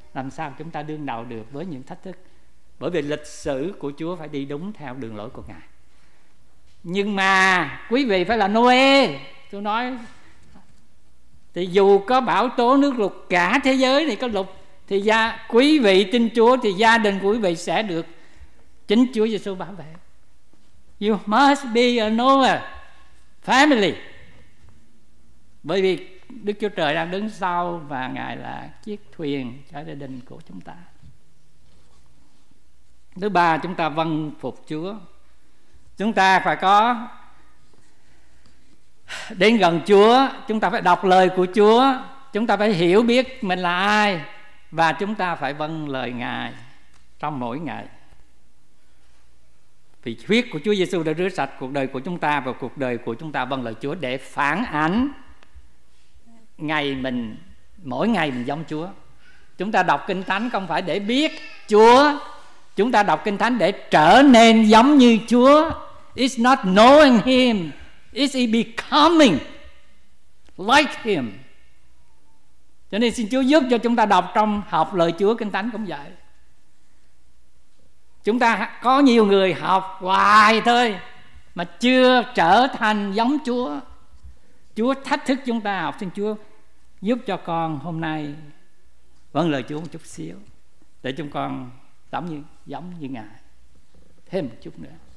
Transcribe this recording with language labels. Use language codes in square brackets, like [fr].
[vi] Làm sao chúng ta đương đầu được với những thách thức? Bởi vì lịch sử của Chúa phải đi đúng theo đường lối của Ngài. Nhưng mà quý vị phải là Noe. Tôi nói thì dù có bão tố nước lụt cả thế giới này có lụt, thì gia quý vị tin Chúa thì gia đình của quý vị sẽ được chính Chúa Giêsu bảo vệ. [en] You must be a Noah family. [vi] Bởi vì Đức Chúa Trời đang đứng sau và Ngài là chiếc thuyền cho gia đình của chúng ta. Thứ ba, chúng ta vâng phục Chúa. Chúng ta phải có đến gần Chúa, chúng ta phải đọc lời của Chúa, chúng ta phải hiểu biết mình là ai, và chúng ta phải vâng lời Ngài trong mỗi ngày. Vì huyết của Chúa Giêsu đã rửa sạch cuộc đời của chúng ta, và cuộc đời của chúng ta vâng lời Chúa để phản ánh ngày mình, mỗi ngày mình giống Chúa. Chúng ta đọc Kinh Thánh không phải để biết Chúa, chúng ta đọc Kinh Thánh để trở nên giống như Chúa. [en] It's not knowing him, it's becoming like him. [vi] Cho nên xin Chúa giúp cho chúng ta đọc trong học lời Chúa, Kinh Thánh cũng vậy. Chúng ta có nhiều người học hoài thôi mà chưa trở thành giống Chúa. Chúa thách thức chúng ta học. Xin Chúa giúp cho con hôm nay vâng lời Chúa một chút xíu, để chúng con giống như Ngài thêm một chút nữa.